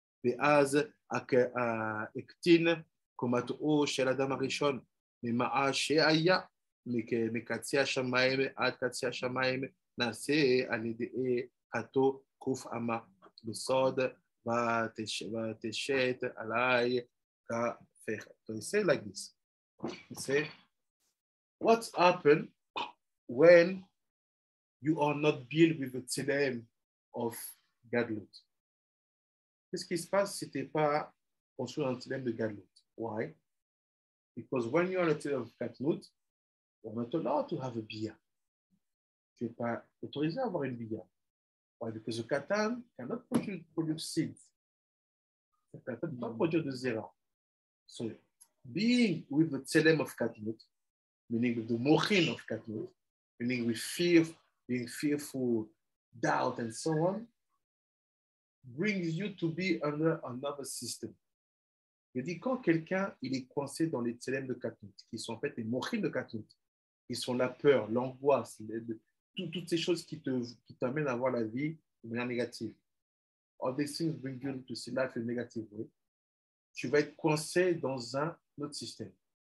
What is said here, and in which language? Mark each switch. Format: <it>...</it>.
<he>ואז הקטין קומתו של אדם הראשון ממה שהיה מקצי השמיים עד קצי השמיים נעשה על ידי חטא קוף אמה בסוד ותשת עליי כפך. תנסה להגיד.</he> <en>What's happened when you are not built with the tselem of gadlut.</en> <fr>Qu'est-ce qui se passe si tu n'es pas construit dans le tselem de gadlut?</fr> <en>Why? Because when you are a tselem of gadlut, you're not allowed to have a bia.</en> <fr>Tu n'es pas autorisé à avoir une bia.</fr> <en>Why? Because the katan cannot produce seeds. The katan cannot produce zera. So being with the tselem of gadlut, meaning with the mohin of gadlut, meaning with fear, being fearful, doubt, and so on, brings you to be under another system.</en> <fr>Il dit, quand quelqu'un il est coincé dans les tselem de katnout, qui sont en fait les mohin de katnout, qui sont la peur, l'angoisse, toutes ces choses qui t'amènent à voir la vie de manière négative.</fr> <en>All these things bring you to see life in a negative way.</en> <fr>Tu vas être coincé dans un autre système.</fr>